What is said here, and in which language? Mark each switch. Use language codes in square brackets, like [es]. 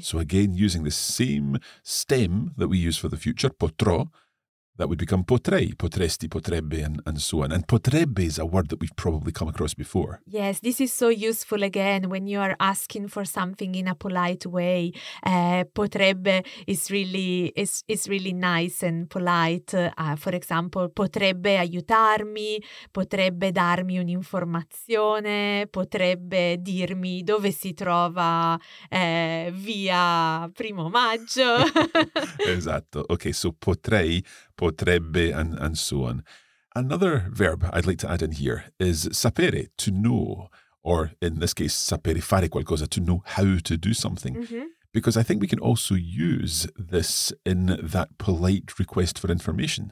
[en] So again, using the same stem that we use for the future, potrò, that would become potrei, potresti, potrebbe, and so on. And potrebbe is a word that we've probably come across before. Yes, this is so useful again when you are asking for something in a polite way. Potrebbe is really nice and polite. For example, [it] potrebbe aiutarmi, potrebbe darmi un'informazione, potrebbe dirmi dove si trova via Primo Maggio. [en] Esatto. Okay, so potrei... Potrebbe and so on. Another verb I'd like to add in here is sapere, to know, or in this case, [it] sapere fare qualcosa, [en] to know how to do something. Mm-hmm. Because I think we can also use this in that polite request for information.